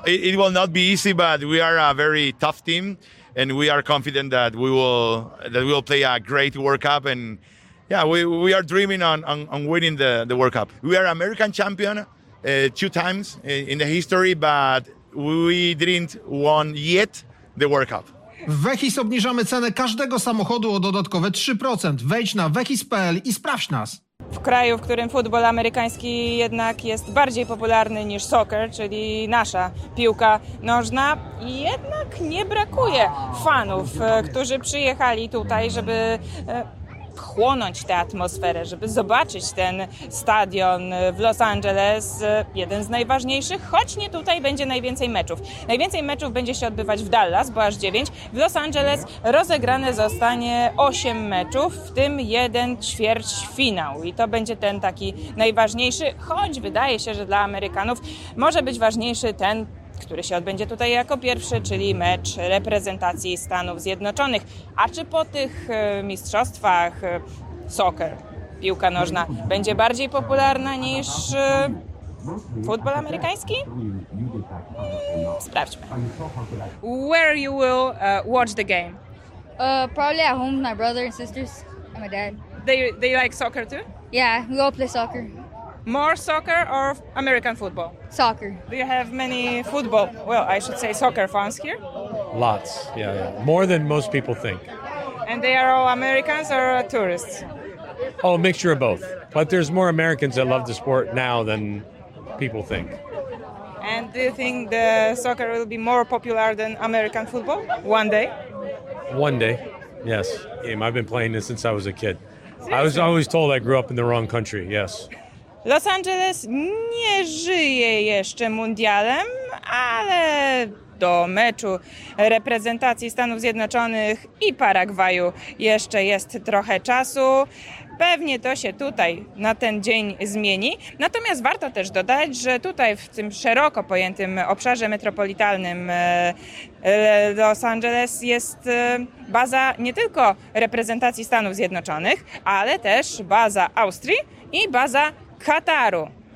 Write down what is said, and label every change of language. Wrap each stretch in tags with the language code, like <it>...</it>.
<en>It will not be easy, but we are a very tough team, and we are confident that we will play a great World Cup. And yeah, we are dreaming on winning the World Cup. We are American champion 2 times in the history, but we didn't won yet the World Cup.</en> <pl>W Wehis obniżamy cenę każdego samochodu o dodatkowe 3%. Wejdź na wehis.pl i sprawdź nas. W kraju, w którym futbol amerykański jednak jest bardziej popularny niż soccer, czyli nasza piłka nożna, jednak nie brakuje fanów, którzy przyjechali tutaj, żeby wchłonąć tę atmosferę, żeby zobaczyć ten stadion w Los Angeles, jeden z najważniejszych, choć nie tutaj będzie najwięcej meczów. Najwięcej meczów będzie się odbywać w Dallas, bo aż 9. W Los Angeles rozegrane zostanie 8 meczów, w tym jeden ćwierćfinał. I to będzie ten taki najważniejszy, choć wydaje się, że dla Amerykanów może być ważniejszy ten, który się odbędzie tutaj jako pierwszy, czyli mecz reprezentacji Stanów Zjednoczonych. A czy po tych mistrzostwach soccer, piłka nożna, będzie bardziej popularna niż futbol amerykański? Sprawdźmy.</pl> <en>Where you will watch the game? Probably at home, my brother and sisters and my dad. They like soccer too? Yeah, we all play soccer. More soccer or American football? Soccer. Do you have many football, I should say soccer fans here? Lots, yeah. More than most people think. And they are all Americans or tourists? Oh, a mixture of both. But there's more Americans that love the sport now than people think. And do you think the soccer will be more popular than American football one day? One day, yes. I've been playing this since I was a kid. Seriously? I was always told I grew up in the wrong country, yes.</en> <pl>Los Angeles nie żyje jeszcze mundialem, ale do meczu reprezentacji Stanów Zjednoczonych i Paragwaju jeszcze jest trochę czasu. Pewnie to się tutaj na ten dzień zmieni. Natomiast warto też dodać, że tutaj w tym szeroko pojętym obszarze metropolitalnym Los Angeles jest baza nie tylko reprezentacji Stanów Zjednoczonych, ale też baza Austrii i baza Kataru.</pl>